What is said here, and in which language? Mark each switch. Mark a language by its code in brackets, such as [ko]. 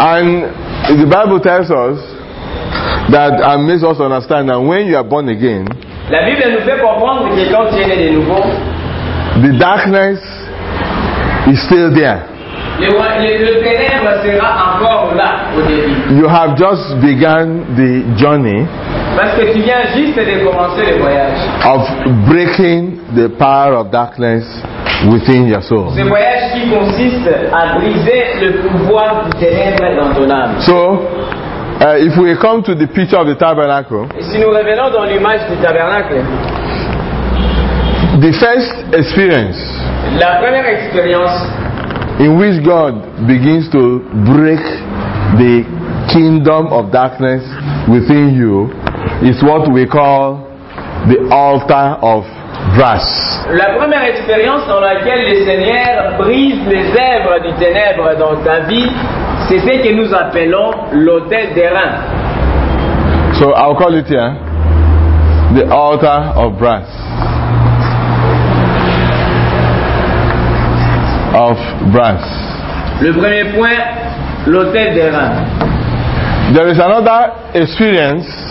[en] And the Bible tells us that, and makes us understand that when you are born again, [fr] la Bible nous fait comprendre que quand tu es né de nouveau, [en] the darkness is still there. [fr] Le ténèbre sera encore là au début. [en] You have just begun the journey. [fr] Parce que tu viens juste de commencer le voyage. [en] Of breaking the power of darkness within your soul. [fr] Ce voyage qui consiste à briser le pouvoir du ténèbre dans ton âme. [en] So, if we come to the picture of the tabernacle. [fr] Et si nous revenons dans l'image du tabernacle. [en] The first experience. [fr] La première expérience. [en] In which God begins to break the kingdom of darkness within you is what we call the altar of brass. [fr] La première expérience dans laquelle le Seigneur brise les œuvres du ténèbre dans ta vie, c'est ce que nous appelons l'autel des reins. [en] So I'll call it here, the altar of brass. Of brass. [fr] Le premier point, l'autel des reins. [en] There is another experience.